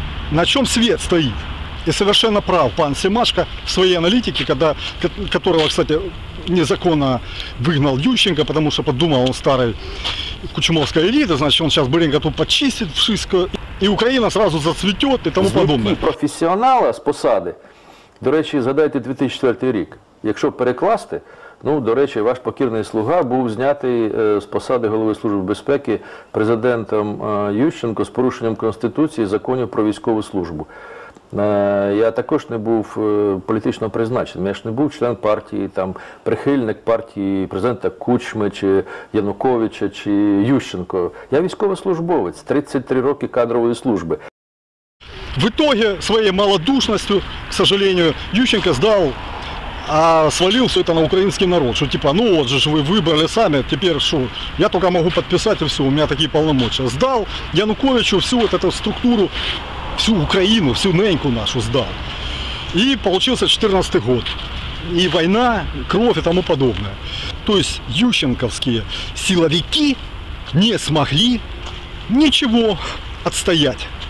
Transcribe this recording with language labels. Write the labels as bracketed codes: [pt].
[ru] На чем свет стоит? И совершенно прав пан Семашко в своей аналитике, которого, кстати, незаконно выгнал Ющенко, потому что подумал, он старый кучумовская элита, значит, он сейчас быренько тут почистит вшиско, и Украина сразу зацветет и тому подобное. [uk] Звідки професіонала з посади, до речі, згадайте 2004 рік, якщо перекласти, ну, до речі, ваш покірний слуга був знятий з посади голови Служби безпеки президентом Ющенко з порушенням Конституції законів про військову службу. Я також не був політично призначений, я ж не був член партії, там, прихильник партії президента Кучми, чи Януковича, чи Ющенко. Я військовослужбовець, 33 роки кадрової служби. В итоге своєю малодушністю, [ru] к сожалению, [uk] Ющенко здав, а свалив [ru] все это [uk] на український народ, що типа, ну от же ж ви вибрали самі, тепер що, я тільки можу підписати все, у мене такі повноваження. [ru] Здав Януковичу всю эту структуру, всю Украину, всю неньку нашу сдал. И получился 14-й год. И война, кровь и тому подобное. То есть ющенковские силовики не смогли ничего отстоять.